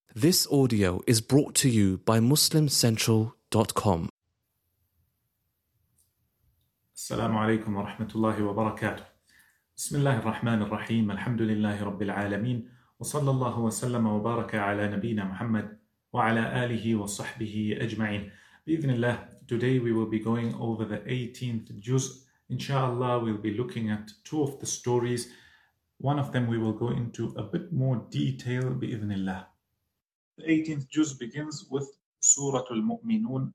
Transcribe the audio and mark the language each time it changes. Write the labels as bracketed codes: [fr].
[en] This audio is brought to you by MuslimCentral.com. [ar] السلام عليكم ورحمة الله وبركاته. بسم الله الرحمن الرحيم، الحمد لله رب العالمين، وصلى الله وسلم وبارك على نبينا محمد وعلى آله وصحبه أجمعين. [en] بإذن الله, today we will be going over the 18th juz. Inshallah, we'll be looking at two of the stories. One of them we will go into a bit more detail بإذن الله. The 18th juz begins with Surah Al-Mu'minun.